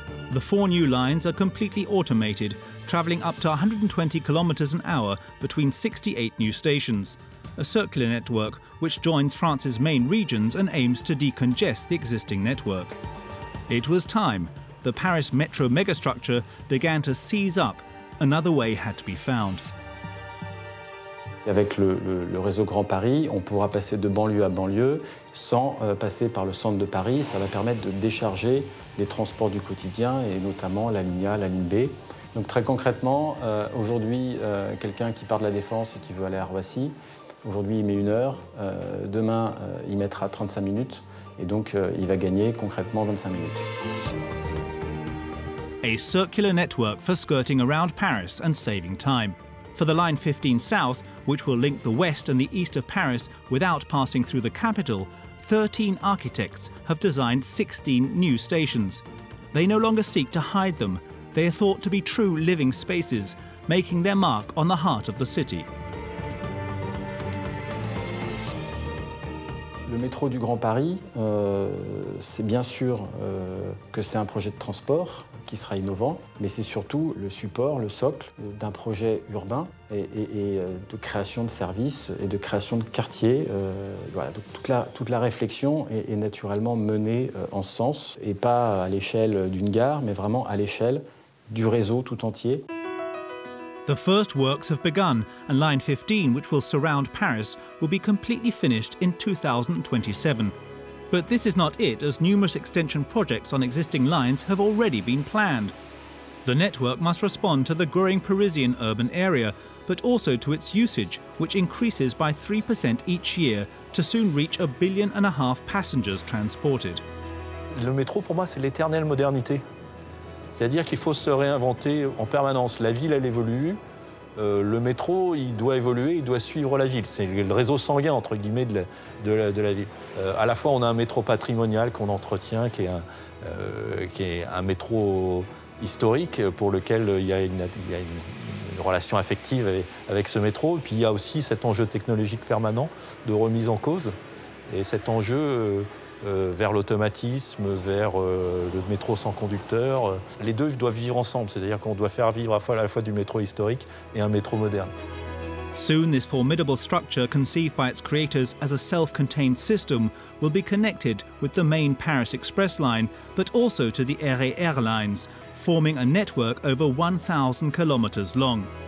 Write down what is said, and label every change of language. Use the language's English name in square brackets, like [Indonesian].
[English] The four new lines are completely automated, traveling up to 120 kilometers an hour between 68 new stations, a circular network which joins France's main regions and aims to decongest the existing network. It was time. The Paris Metro megastructure began to seize up. Another way had to be found. [French] Avec le réseau Grand Paris, on pourra passer de banlieue à banlieue sans passer par le centre de Paris. Ça va permettre de décharger les transports du quotidien et notamment la ligne A, la ligne B. Donc très concrètement, aujourd'hui, quelqu'un qui part de la Défense et qui veut aller à Roissy, aujourd'hui il met une heure, demain il mettra 35 minutes et donc il va gagner concrètement 25 minutes. [English] A circular network for skirting around Paris and saving time. For the line 15 south, which will link the west and the east of Paris without passing through the capital, 13 architects have designed 16 new stations. They no longer seek to hide them. They are thought to be true living spaces, making their mark on the heart of the city. [French] Le métro du Grand Paris, c'est bien sûr que c'est un projet de transport qui sera innovant, mais c'est surtout le support, le socle d'un projet urbain et de création de services et de création de quartiers. Voilà, donc toute la réflexion est naturellement menée en ce sens, et pas à l'échelle d'une gare, mais vraiment à l'échelle du réseau tout entier. [English] The first works have begun, and Line 15, which will surround Paris, will be completely finished in 2027. But this is not it, as numerous extension projects on existing lines have already been planned. The network must respond to the growing Parisian urban area, but also to its usage, which increases by 3% each year, to soon reach 1.5 billion passengers transported. [French] Le métro, pour moi, c'est l'éternelle modernité. C'est-à-dire qu'il faut se réinventer en permanence. La ville, elle évolue. Le métro, il doit évoluer, il doit suivre la ville. C'est le réseau sanguin, entre guillemets, de la ville. À la fois, on a un métro patrimonial qu'on entretient, qui est un métro historique pour lequel il y a une relation affective avec ce métro. Et puis, il y a aussi cet enjeu technologique permanent de remise en cause. Et cet enjeu vers l'automatisme, vers le métro sans conducteur. Les deux doivent vivre ensemble, c'est-à-dire qu'on doit faire vivre à la fois du métro historique et un métro moderne. [English] Soon, this formidable structure, conceived by its creators as a self-contained system, will be connected with the main Paris Express line, but also to the RER lines, forming a network over 1,000 kilometers long.